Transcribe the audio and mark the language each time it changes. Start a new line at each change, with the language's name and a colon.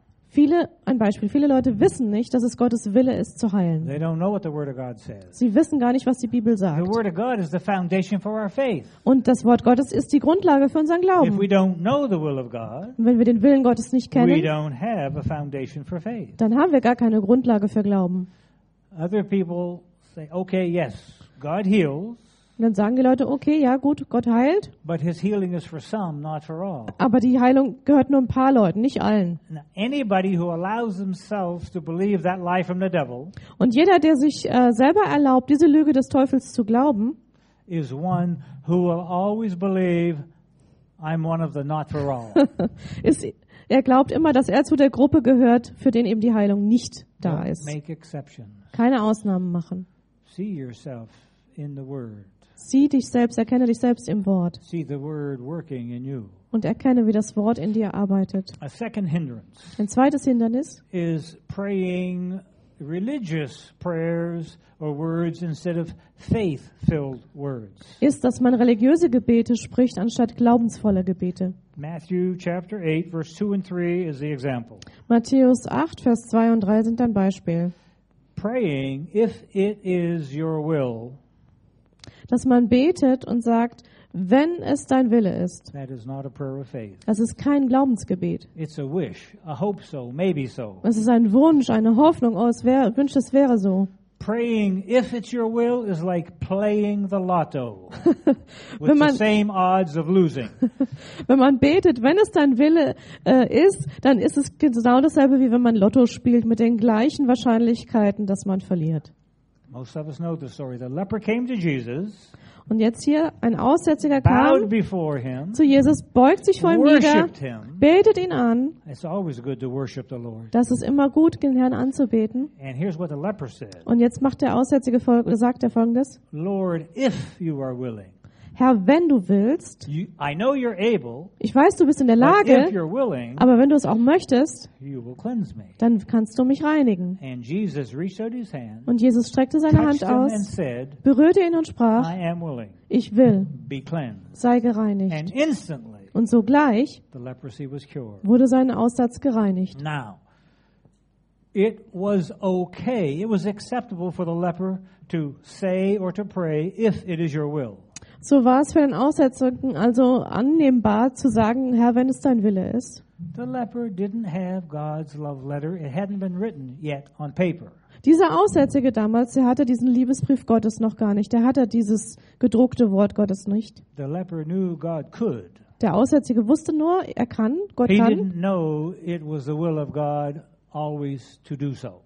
German: Viele Leute wissen nicht, dass es Gottes Wille ist, zu heilen.
English: They don't know what the word of God says.
German: Sie wissen gar nicht, was die Bibel sagt.
English: The word of God is the foundation for our faith.
German: Und das Wort Gottes ist die Grundlage für unseren Glauben.
English: If we don't know the will of God,
German: wenn wir den Willen Gottes nicht kennen,
English: we don't have a foundation for faith.
German: Dann haben wir gar keine Grundlage für Glauben.
English: Other people say, okay, yes, God heals.
German: Und dann sagen die Leute, okay, ja gut, Gott heilt.
English: But his healing is for some, not for all.
German: Aber die Heilung gehört nur ein paar Leuten, nicht allen.
English: Now, anybody who allows themselves to believe that lie from the devil,
German: und jeder, der sich selber erlaubt, diese Lüge des Teufels zu glauben,
English: is one who will always believe I'm one of the not for all.
German: Er glaubt immer, dass er zu der Gruppe gehört, für den eben die Heilung nicht da ist.
English: Make exceptions.
German: Keine Ausnahmen machen.
English: See yourself in the word.
German: Sieh dich selbst, erkenne dich selbst im Wort.
English: See the word working in you.
German: Und erkenne, wie das Wort in dir arbeitet.
English: A second hindrance.
German: Ein zweites Hindernis
English: is praying religious prayers or words instead of faith-filled words.
German: Ist, dass man religiöse Gebete spricht anstatt glaubensvoller Gebete.
English: Matthew chapter 8 verse 2 and 3 is the example.
German: Matthäus 8 Vers 2 und 3 sind ein Beispiel.
English: Praying if it is your will.
German: Dass man betet und sagt, wenn es dein Wille ist.
English: That is not a prayer of faith.
German: Das ist kein Glaubensgebet.
English: It's a wish, a hope so, maybe so.
German: Es ist ein Wunsch, eine Hoffnung, oh, wünscht, es wäre so.
English: Praying if it's your will is like playing the lotto with man, the same odds of losing.
German: Wenn man betet, wenn es dein Wille ist, dann ist es genau dasselbe, wie wenn man Lotto spielt, mit den gleichen Wahrscheinlichkeiten, dass man verliert.
English: Most of us know the story. The leper came to Jesus.
German: Und jetzt hier ein Aussätziger kam
English: before him,
German: zu Jesus, beugt sich vor ihm nieder, betet ihn an.
English: It's always good to worship the Lord.
German: Das ist immer gut, den Herrn anzubeten.
English: And here's what the leper said.
German: Und jetzt macht der Aussätzige sagt er Folgendes:
English: Lord, if you are willing.
German: Herr, wenn du willst,
English: I know you're able,
German: ich weiß, du bist in der Lage,
English: but if you're willing,
German: aber wenn du es auch möchtest,
English: you will cleanse me.
German: Dann kannst du mich reinigen.
English: And Jesus reached out his hand,
German: und Jesus streckte seine Hand aus,
English: and said,
German: berührte ihn und sprach,
English: I am willing,
German: ich will,
English: be cleansed.
German: Sei gereinigt.
English: And instantly,
German: und sogleich
English: the leprosy was cured.
German: Wurde sein Aussatz gereinigt.
English: Now, it was okay, it was acceptable for the leper to say or to pray, if it is your will.
German: So war es für den Aussätzigen also annehmbar zu sagen, Herr, wenn es dein Wille ist.
English: The leper didn't have God's love letter. It hadn't been written yet on paper.
German: Dieser Aussätzige damals, der hatte diesen Liebesbrief Gottes noch gar nicht. Der hatte dieses gedruckte Wort Gottes nicht.
English: The leper knew God could.
German: Der Aussätzige wusste nur, er kann, Gott kann.
English: He didn't know it was the will of God always to do so.